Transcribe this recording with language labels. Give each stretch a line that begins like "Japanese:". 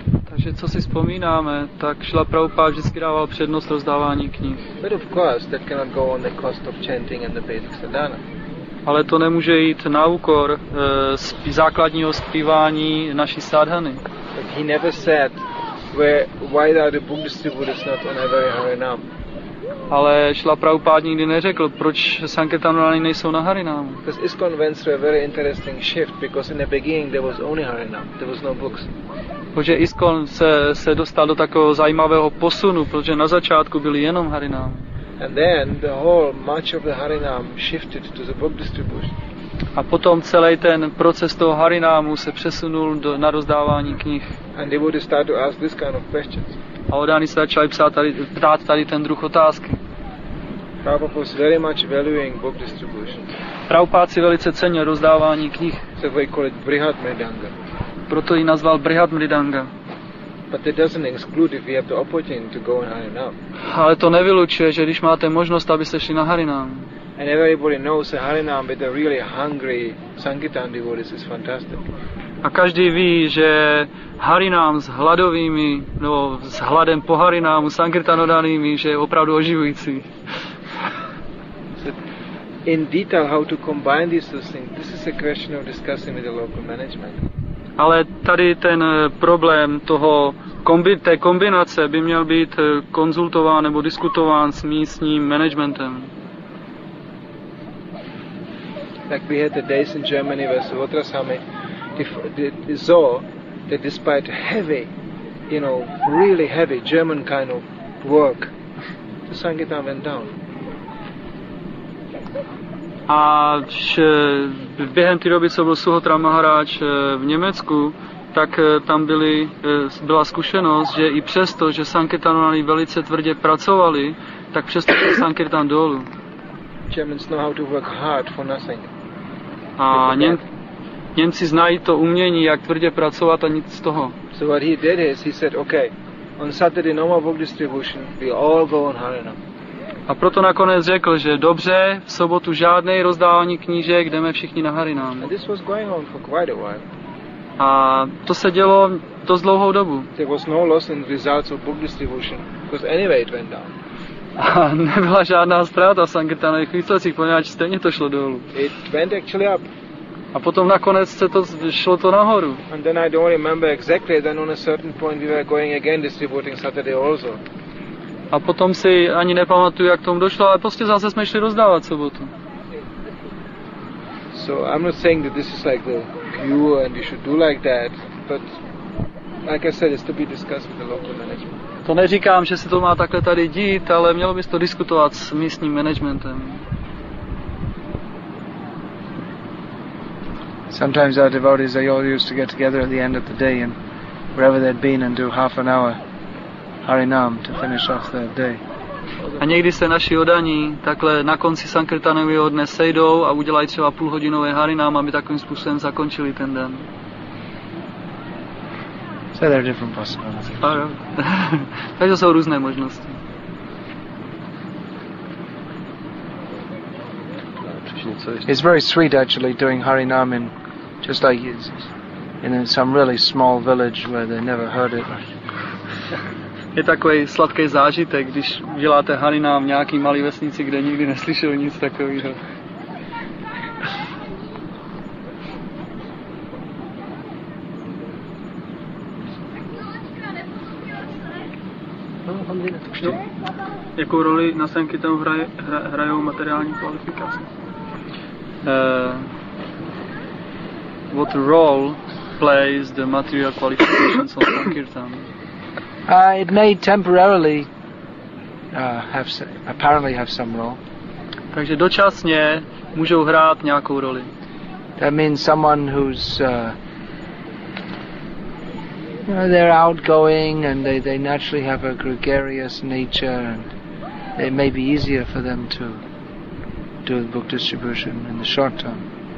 Czech: Takže co si vzpomínáme, tak Srila Prabhupada vždycky dával přednost rozdávání knih.
English: But of course, that cannot go on the cost of chanting and the basic sadhana.
Czech: Ale to nemůže jít na úkor základního zpívání naší sadhany.
English: But he never said, why are the book distributors not on every harinam?
Czech: Ale Srila Prabhupada nikdy neřekl, proč sankirtanodáni nejsou na harinámu.
English: Because ISKCON went through a very interesting shift, because in the beginning there was only harinam, there was no books.
Czech: Protože ISKCON se dostal do takového zajímavého posunu, protože na začátku byly jenom harinámy.
English: And then the whole much of the harinam shifted to the book distribution.
Czech: A potom celý ten proces toho harinámu se přesunul na rozdávání knih.
English: And they would start to ask this kind of questions.
Czech: A oddány se začali ptát tady ten druh otázky.
English: Prabhupada was very much valuing book distribution.
Czech: Prabhupada si velice cenil rozdávání knih.
English: So we call it Brihad Mridanga.
Czech: Proto ji nazval Brihad Mridanga.
English: But it doesn't exclude if you have the opportunity to go on harinam.
Czech: Ale to nevylučuje, že když máte možnost, abyste šli na harinam.
English: And everybody knows a harinam with a really hungry sankirtan devotees is fantastic.
Czech: A každý ví, že harinám s hladovými, no s hladem po harinámu, sankirtanodanými, že je opravdu oživující.
English: In detail how to combine these two things, this is a question of discussing with the local management.
Czech: Ale tady ten problém toho té kombinace by měl být konzultován nebo diskutován s místním managementem.
English: Like we had the days in Germany versus Votrasami. The saw that despite heavy, you know, really heavy German kind of work, the Sankirtan went down.
Czech: A během té doby, co byl Suhotra Maharaj v Německu, tak tam byla zkušenost, že i přesto, že Sankirtanovali velice tvrdě pracovali, tak přesto byl Sankirtan dolů.
English: Germans know how to work hard for nothing.
Czech: A Němci znají to umění, jak tvrdě pracovat a nic z toho.
English: So what he did is, he said, okay, on Saturday no more book distribution, we all go on harinam.
Czech: A proto nakonec řekl, že dobře, v sobotu žádnej rozdávání knížek, jdeme všichni na Harinám.
English: And this was going on for quite a while.
Czech: A to se dělo dost dlouhou dobu.
English: There was no loss in results of book distribution, because anyway it went down.
Czech: A nebyla žádná ztráta sankirtanových výsledcích, poněvadž stejně to šlo dolů.
English: It went actually up.
Czech: A potom nakonec se to šlo to nahoru.
English: And then I don't remember exactly, then on a certain point we were going again distributing Saturday also.
Czech: A potom si ani nepamatuju, jak tomu došlo, ale prostě zase jsme šli rozdávat sobotu.
English: So I'm not saying that this is like the cure and you should do like that, but like I said, it's to be discussed with the local management.
Czech: To neříkám, že se to má takhle tady dít, ale mělo bys to diskutovat s místním managementem.
English: Sometimes our devotees, they all used to get together at the end of the day and wherever they'd been and do half an hour Harinam to finish off their day.
Czech: A někdy se naši odaní takhle na konci sankirtanového dne sejdou a udělají třeba půlhodinové Harinam, aby takovým způsobem zakončili ten den.
English: So there are different possibilities.
Czech: Takže jsou různé možnosti.
English: It's very sweet actually doing Harinam in just like in some really small village where they never heard it.
Czech: Je takový sladký zážitek, když děláte Harinam v nějaký malý vesnici, kde nikdy neslyšeli nic takového. Jakou roli na sankirtanu hrajou materiální kvalifikace?
English: What role plays the material qualifications of sankirtan? It may temporarily apparently have some role.
Czech: Takže dočasně můžou hrát nějakou roli.
English: That means someone who's they're outgoing and they naturally have a gregarious nature and it may be easier for them to do the book distribution in the short term.